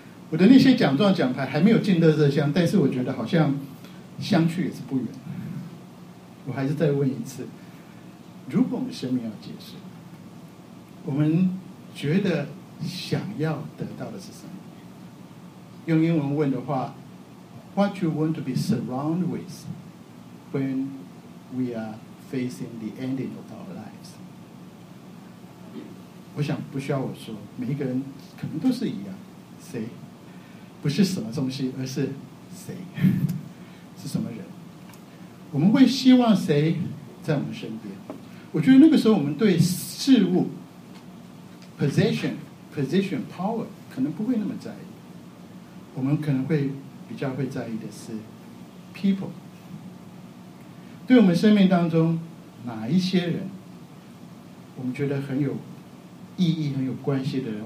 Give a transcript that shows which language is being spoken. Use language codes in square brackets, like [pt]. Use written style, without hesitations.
[zh] 我的那些奖状奖牌还没有进垃圾箱，但是我觉得好像相去也是不远。我还是再问一次，如果我们生命要结束，我们觉得想要得到的是什么？用英文问的话， [en] What do you want to be surrounded with when we are facing the ending of our lives？ [zh] 我想不需要我说，每一个人可能都是一样。谁？不是什么东西，而是谁，是什么人。我们会希望谁在我们身边？我觉得那个时候我们对事物 position power 可能不会那么在意，我们可能会比较会在意的是 people， 对我们生命当中哪一些人我们觉得很有意义很有关系的人。